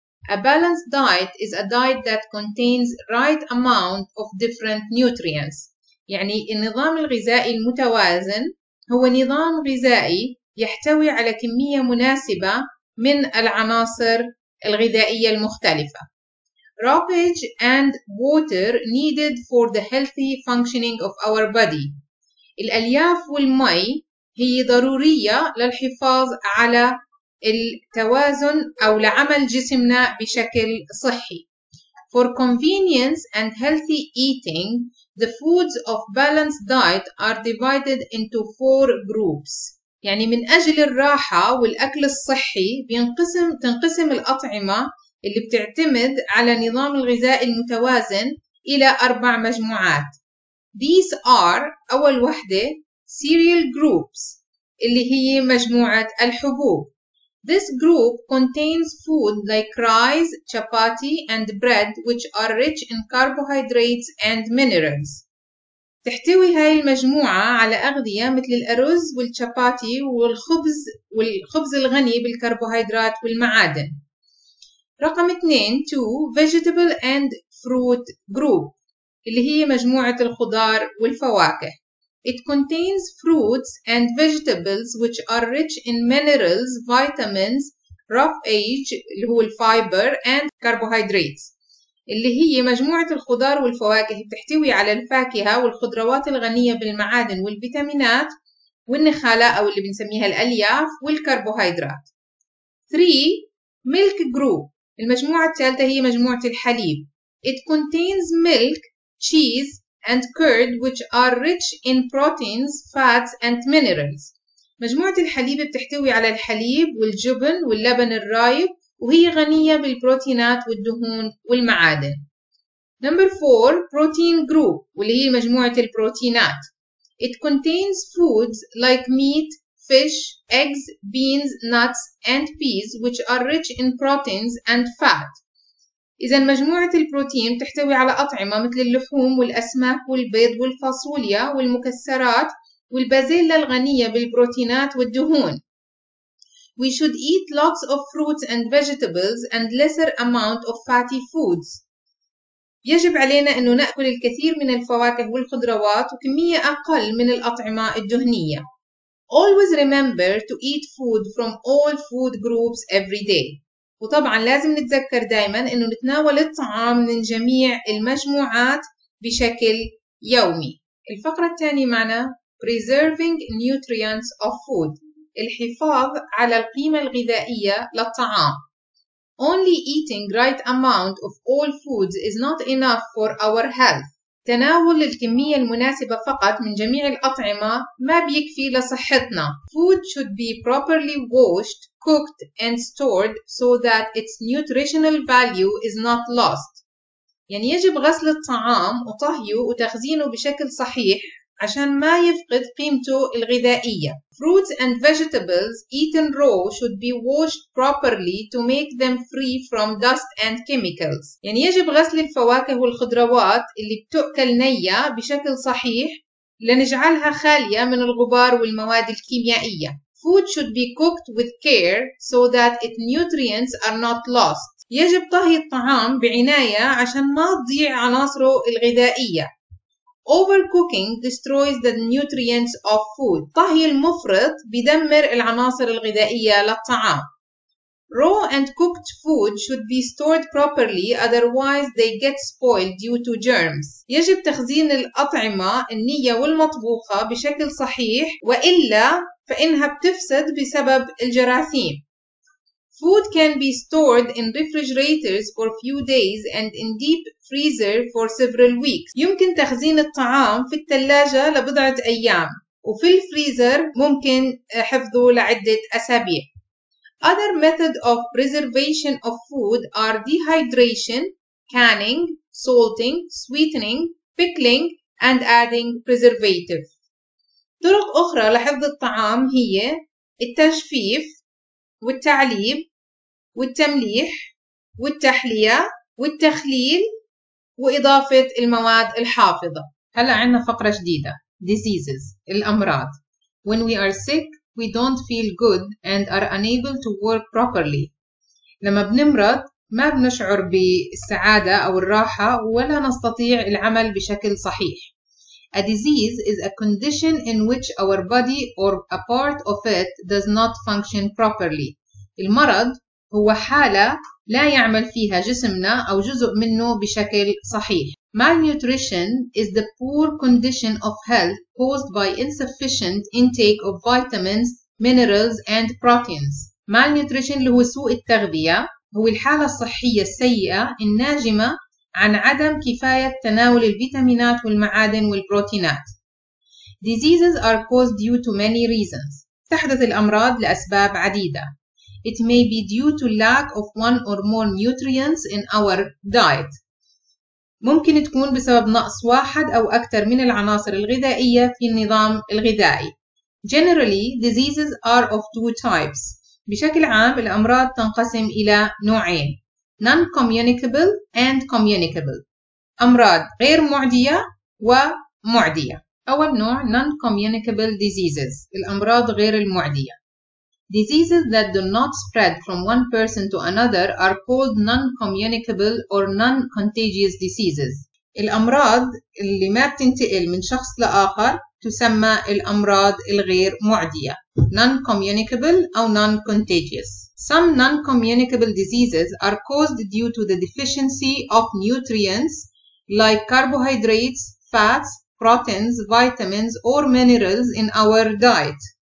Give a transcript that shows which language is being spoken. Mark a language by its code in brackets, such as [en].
[en] A balanced diet is a diet that contains right amount of different nutrients. [ar] يعني النظام الغذائي المتوازن هو نظام غذائي يحتوي على كمية مناسبة من العناصر الغذائية المختلفة. [en] Roughage and water needed for the healthy functioning of our body. [ar] الألياف والمي هي ضرورية للحفاظ على التوازن أو لعمل جسمنا بشكل صحي. [en] For convenience and healthy eating, the foods of balanced diet are divided into four groups. [ar] يعني من أجل الراحة والأكل الصحي تنقسم الأطعمة اللي بتعتمد على نظام الغذاء المتوازن إلى أربع مجموعات. [en] These are [ar] أول واحدة [en] cereal groups [ar] اللي هي مجموعة الحبوب. [en] This group contains food like rice, chapati and bread which are rich in carbohydrates and minerals. [ar] تحتوي هاي المجموعة على أغذية مثل الأرز والشباتي والخبز الغني بالكربوهيدرات والمعادن. رقم 2 [en] vegetable and fruit group [ar] اللي هي مجموعة الخضار والفواكه. [en] It contains fruits and vegetables which are rich in minerals, vitamins, roughage [ar] اللي هو الفايبر [en] and carbohydrates. [ar] اللي هي مجموعة الخضار والفواكه بتحتوي على الفاكهة والخضروات الغنية بالمعادن والفيتامينات والنخالة أو اللي بنسميها الألياف والكربوهيدرات. [en] 3. Milk group. [ar] المجموعة الثالثة هي مجموعة الحليب. [en] It contains milk, cheese and curd which are rich in proteins, fats and minerals. [ar] مجموعة الحليب بتحتوي على الحليب والجبن واللبن الرايب وهي غنية بالبروتينات والدهون والمعادن. [en] Number 4 protein group [ar] واللي هي مجموعة البروتينات. [en] It contains foods like meat, fish, eggs, beans, nuts and peas which are rich in proteins and fat. [ar] إذا مجموعة البروتين تحتوي على أطعمة مثل اللحوم والأسماك والبيض والفاصوليا والمكسرات والبازيلا الغنية بالبروتينات والدهون. [en] We should eat lots of fruits and vegetables and lesser amount of fatty foods. [ar] يجب علينا أن نأكل الكثير من الفواكه والخضروات وكمية أقل من الأطعمة الدهنية. [en] Always remember to eat food from all food groups every day. [ar] وطبعا لازم نتذكر دائما أنه نتناول الطعام من جميع المجموعات بشكل يومي. الفقرة الثانية معنا [en] Preserving Nutrients of Food. [ar] الحفاظ على القيمة الغذائية للطعام. [en] Only eating right amount of all foods is not enough for our health. [ar] تناول الكمية المناسبة فقط من جميع الأطعمة ما بيكفي لصحتنا. [en] Food should be properly washed, cooked and stored so that its nutritional value is not lost. [ar] يعني يجب غسل الطعام وطهيه وتخزينه بشكل صحيح عشان ما يفقد قيمته الغذائية. [en] Fruits and vegetables eaten raw should be washed properly to make them free from dust and chemicals. [ar] يعني يجب غسل الفواكه والخضروات اللي بتؤكل نية بشكل صحيح لنجعلها خالية من الغبار والمواد الكيميائية. [en] Food should be cooked with care so that its nutrients are not lost. [ar] يجب طهي الطعام بعناية عشان ما تضيع عناصره الغذائية. [en] Overcooking destroys the nutrients of food. [ar] طهي المفرط بيدمر العناصر الغذائية للطعام. [en] Raw and cooked food should be stored properly, otherwise they get spoiled due to germs. [ar] يجب تخزين الأطعمة النية والمطبوخة بشكل صحيح وإلا فإنها بتفسد بسبب الجراثيم. [en] Food can be stored in refrigerators for a few days and in deep freezer for several weeks. [ar] يمكن تخزين الطعام في الثلاجة لبضعة أيام وفي الفريزر ممكن حفظه لعدة أسابيع. [en] Other methods of preservation of food are dehydration, canning, salting, sweetening, pickling, and adding preservative. [ar] طرق أخرى لحفظ الطعام هي التجفيف والتعليب والتمليح والتحلية والتخليل وإضافة المواد الحافظة. هلأ عندنا فقرة جديدة. [en] Diseases, [ar] الأمراض. [en] When we are sick, we don't feel good and are unable to work properly. [ar] لما بنمرض ما بنشعر بالسعادة أو الراحة ولا نستطيع العمل بشكل صحيح. [en] A disease is a condition in which our body or a part of it does not function properly. [ar] المرض هو حالة لا يعمل فيها جسمنا أو جزء منه بشكل صحيح. [en] Malnutrition is the poor condition of health caused by insufficient intake of vitamins, minerals, and proteins. [ar] Malnutrition اللي هو سوء التغذية هو الحالة الصحية السيئة الناجمة عن عدم كفاية تناول الفيتامينات والمعادن والبروتينات. [en] Diseases are caused due to many reasons. [ar] تحدث الأمراض لأسباب عديدة. [en] It may be due to lack of one or more nutrients in our diet. [ar] ممكن تكون بسبب نقص واحد أو أكثر من العناصر الغذائية في النظام الغذائي. [en] Generally, diseases are of two types. [ar] بشكل عام الأمراض تنقسم إلى نوعين. [en] Non-communicable and communicable. [ar] أمراض غير معدية ومعدية. أول نوع [en] non-communicable diseases. [ar] الأمراض غير المعدية. [en] Diseases that do not spread from one person to another are called non-communicable or non-contagious diseases. [ar] الأمراض اللي ما بتنتقل من شخص لآخر تسمى الأمراض الغير معدية non-communicable أو non-contagious. [en] Some non-communicable diseases are caused due to the deficiency of nutrients like carbohydrates, fats, proteins, vitamins or minerals in our diet.